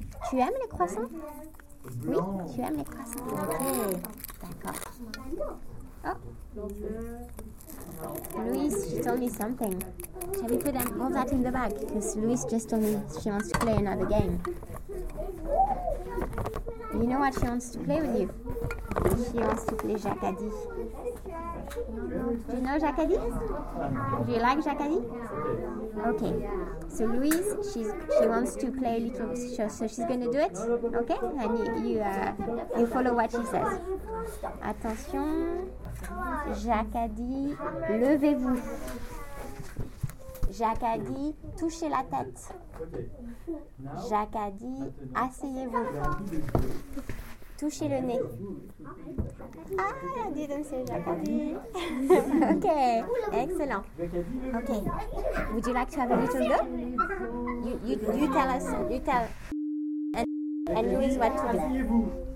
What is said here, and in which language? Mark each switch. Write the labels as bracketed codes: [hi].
[fr] Tu aimes les croissants? Oui, tu aimes les croissants. Ok, d'accord. [en] Oh, Louis, she told me something. Shall we put them all that in the bag? Because Louis just told me she wants to play another game. You know what she wants to play with you? She wants to play Jacadi. Do you know Jacadi? Do you like Jacadi? Okay. So Louise, she wants to play a little show, so she's going to do it, okay? And you follow what she says. [fr] Attention, Jacadi, levez-vous. Jacadi, touchez la tête. Jacadi, asseyez-vous. Touchez le nez. Ah, elle a dit donc c'est Jacadi. [en] Ok, excellent. Ok, would you like to have a little go? You tell us, you tell. And Louise what to do.